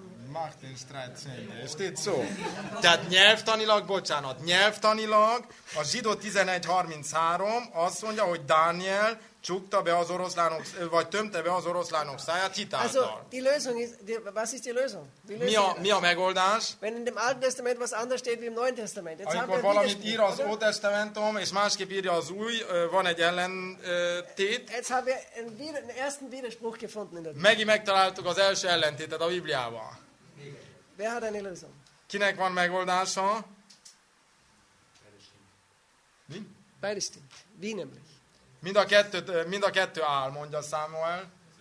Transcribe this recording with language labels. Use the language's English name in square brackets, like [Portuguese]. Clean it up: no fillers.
[Hungarian] Martin Streit szénye, és itt szó. Tehát nyelvtanilag, a Zsidó 11:33 azt mondja, hogy Dániel csukta be az oroszlánok, vagy tömte be az oroszlánok száját hitáltal. [German] Also, die Lösung ist, was ist die Lösung? [Hungarian] Mi a megoldás? [German] Wenn in dem Alten Testament was anders steht, wie im Neuen Testament. [Hungarian] Jetzt amikor valamit ír az Old Testamentum, és másképp írja az Új, van egy ellentét. [German] Jetzt haben wir einen ersten Widerspruch gefunden in der Bibel. [Hungarian] Megint megtaláltuk az első ellentétet a Bibliában. [German] Wer hat eine Lösung? [Hungarian] Kinek van megoldása? [German] Beide stimmt. Wie nämlich? [Hungarian] Mind a kettő áll, mondja Samuel.